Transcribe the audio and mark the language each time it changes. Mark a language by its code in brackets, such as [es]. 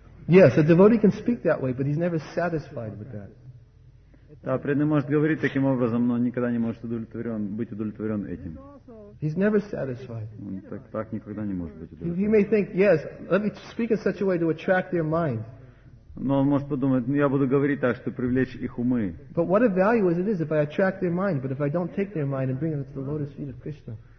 [en] Yes, a devotee can speak that way, but he's never satisfied with that. [ru] Да, преданный может говорить таким образом, но никогда не может быть удовлетворен этим. [en] He's never satisfied. [ru] Он так никогда не может быть удовлетворен. [en] He may think, yes, let me speak in such a way to attract their mind. [ru] Но он может подумать, я буду говорить так, чтобы привлечь их умы. [en] But what a value is it is if I attract their mind, but if I don't take their mind and bring it to the lotus feet of Krishna.